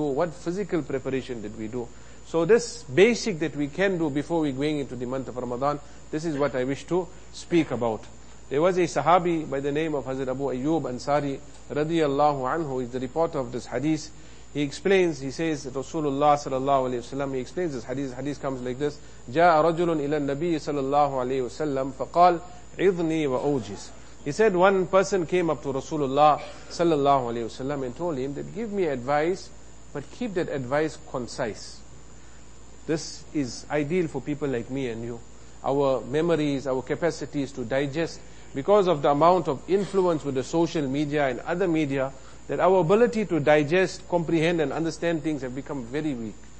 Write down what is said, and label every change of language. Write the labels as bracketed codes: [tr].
[en] What physical preparation did we do? So this basic that we can do before we're going into the month of Ramadan, this is what I wish to speak about. There was a Sahabi by the name of Hazrat Abu Ayyub Ansari, radiallahu anhu, is the reporter of this hadith. He explains, he says, Rasulullah sallallahu alayhi wa sallam, he explains this hadith. The hadith comes like this. [ar] جَاءَ رَجُلٌ إِلَى النَّبِيِّ sallallahu alayhi wa sallam فَقَالَ عِذْنِي وَأُوْجِزْ. [en] He said, one person came up to Rasulullah sallallahu alayhi wa sallam and told him that give me advice, but keep that advice concise. This is ideal for people like me and you. Our memories, our capacities to digest, because of the amount of influence with the social media and other media, that our ability to digest, comprehend and understand things have become very weak.